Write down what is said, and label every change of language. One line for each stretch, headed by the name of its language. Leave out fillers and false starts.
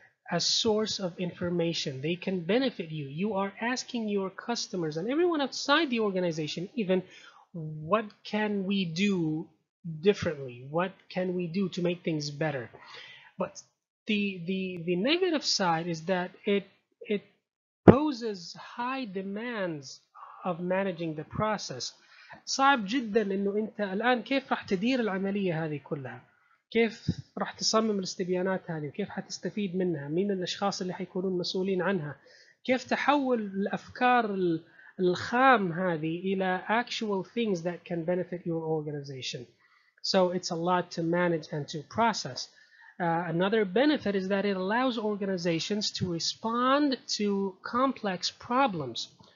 English: a source of information. They can benefit you. You are asking your customers and everyone outside the organization, even, what can we do differently? What can we do to make things better? But the negative side is that it poses high demands of managing the process.
Arabic: صعب جدا انه انت الان كيف راح تدير العمليه هذه كلها، كيف راح تصمم الاستبيانات هذه، وكيف حتستفيد منها، مين الاشخاص اللي حيكونون مسؤولين عنها، كيف تحول الافكار الخام هذه الى
English: actual things that can benefit your organization. So it's a lot to manage and to process. Another benefit is that it allows organizations to respond to complex problems.